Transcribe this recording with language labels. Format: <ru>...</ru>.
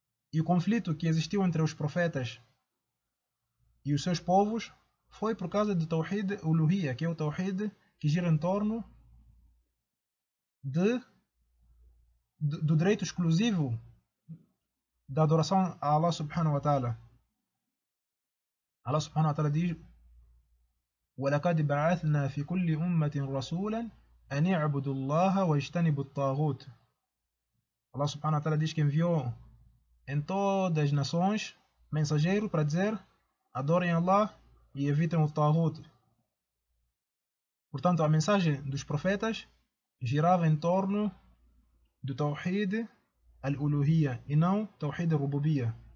<pt>E o conflito que existiu entre os profetas e os seus povos foi por causa do Tawhid Uluhiyya, que é o Tawhid que gira em torno do direito exclusivo da adoração a Allah subhanahu wa ta'ala. Allah subhanahu wa ta'ala diz:</pt> <ar>وَلَقَدْ بَعَثْنَا فِي كُلِّ أُمَّةٍ رَسُولًا أَنِ اعْبُدُوا اللَّهَ وَاجْتَنِبُوا الطَّاغُوتَ.</ar> <pt>Allah subhanahu wa ta'ala diz que enviou em todas as nações mensageiro para dizer: adorem Allah e evitem o tagut. Portanto, a mensagem dos profetas girava em torno do Tawhid al-Uluhiyya e não Tawhid al-Rububiyya.</pt>